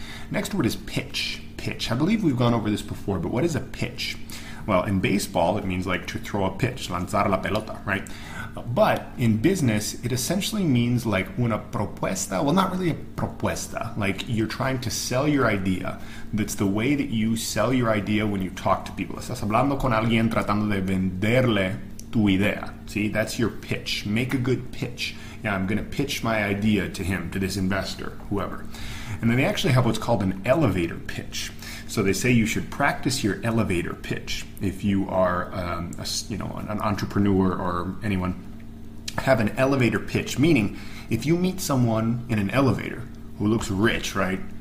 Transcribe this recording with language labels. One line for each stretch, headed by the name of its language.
English: Next word is pitch. Pitch. I believe we've gone over this before, but what is a pitch? Well, in baseball, it means like to throw a pitch, lanzar la pelota, right? But in business, it essentially means like una propuesta. Well, not really a propuesta. Like you're trying to sell your idea. That's the way that you sell your idea when you talk to people.
Spanish: Estás hablando con alguien tratando de venderle tu idea.
English: See, that's your pitch. Make a good pitch. Yeah, I'm going to pitch my idea to him, to this investor, whoever. And then they actually have what's called an elevator pitch. So they say you should practice your elevator pitch if you are an entrepreneur or anyone. Have an elevator pitch, meaning if you meet someone in an elevator who looks rich, right?